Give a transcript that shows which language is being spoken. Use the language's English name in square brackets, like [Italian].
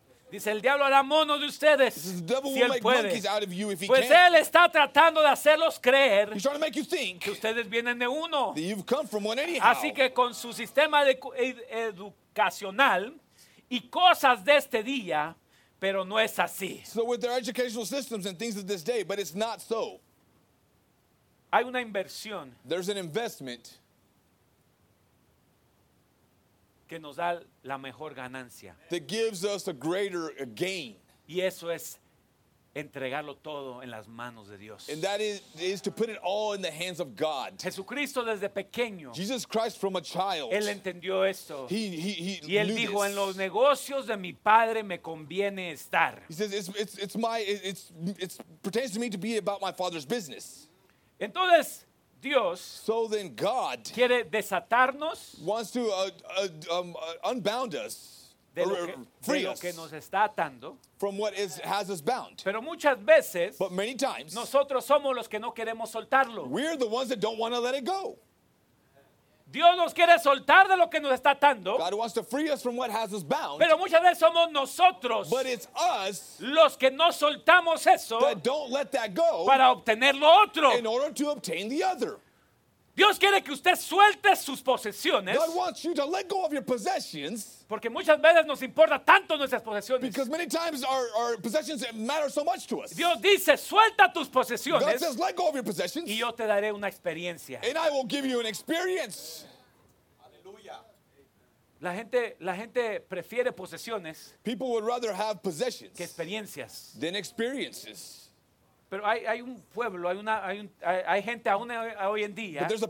[Spanish] Dice, el diablo hará monos de ustedes si él puede. Pues él está tratando de hacerlos creer que ustedes vienen de uno. Así que con su sistema educacional y cosas de este día, pero no es así. [English] So with their educational systems and things of this day, but it's not so. [Spanish] Hay una inversión. [English] There's an investment [Spanish] que nos da la mejor ganancia. [English] That gives us a greater gain. [Spanish] Y eso es entregarlo todo en las manos de Dios. [English] And that is to put it all in the hands of God. [Spanish] Jesucristo desde pequeño. [English] Jesus Christ from a child. [Spanish] Él entendió esto. [English] He [Spanish] y él dijo, en los negocios de mi padre me conviene estar. [English] He says, it's pertains to me to be about my father's business. [Spanish] Entonces, Dios. [English] So then God. [Spanish] Quiere desatarnos. [English] Wants to unbound us. [Spanish] De lo que nos está atando. [English] From what has us bound. [Spanish] Pero muchas veces, [English] but many times, [Spanish] nosotros somos los que no queremos soltarlo. [English] We're the ones that don't want to let it go. [Spanish] Dios nos quiere soltar de lo que nos está atando. [English] God wants to free us from what has us bound. [Spanish] Pero muchas veces somos nosotros, [English] but it's us, [Spanish] los que no soltamos eso, [English] that don't let that go, [Spanish] para obtener lo otro. [English] In order to obtain the other. [Spanish] Dios quiere que usted suelte sus posesiones. [English] God wants you to let go of your possessions. [Spanish] Porque muchas veces nos importa tanto nuestras posesiones. [English] Because many times our possessions matter so much to us. [Spanish] Dios dice, suelta tus posesiones. [English] God says, let go of your possessions. [Spanish] Y yo te daré una experiencia. [English] And I will give you an experience. [Spanish] Aleluya. La gente prefiere posesiones. [English] People would rather have possessions. [Spanish] Que experiencias. [English] Than experiences. [Spanish] Pero hay un pueblo, hay gente aún hoy en día.